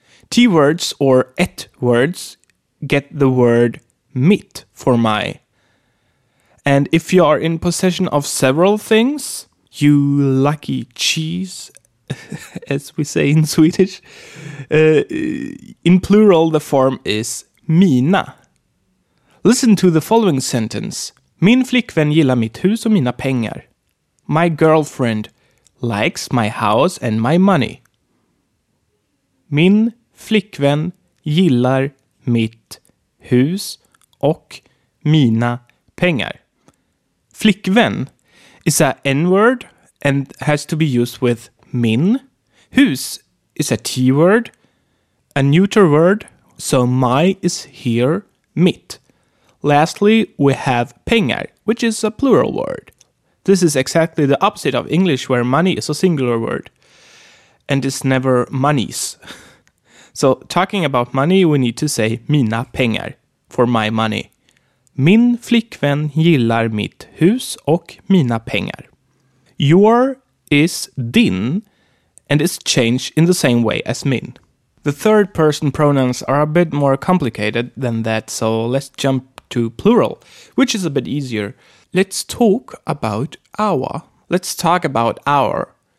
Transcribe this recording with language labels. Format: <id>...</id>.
<en>T-words or ett words get the word mitt for my. And if you are in possession of several things, you lucky cheese, as we say in Swedish, in plural the form is mina. Listen to the following sentence.</en> <sv>Min flickvän gillar mitt hus och mina pengar.</sv> <en>My girlfriend likes my house and my money.</en> <sv>Min flickvän gillar mitt hus och mina pengar.</sv> <en>Flickvän is a N-word and has to be used with min. Hus is a T-word, a neuter word, so my is here mitt. Lastly, we have pengar, which is a plural word. This is exactly the opposite of English, where money is a singular word, and is never monies. So, talking about money, we need to say</en> <sv>mina pengar,</sv> <en>for my money.</en> <sv>Min flickvän gillar mitt hus och mina pengar.</sv> <en>Your is din, and is changed in the same way as min. The third person pronouns are a bit more complicated than that, so let's jump to plural, which is a bit easier. Let's talk about our. Let's talk about our.</en>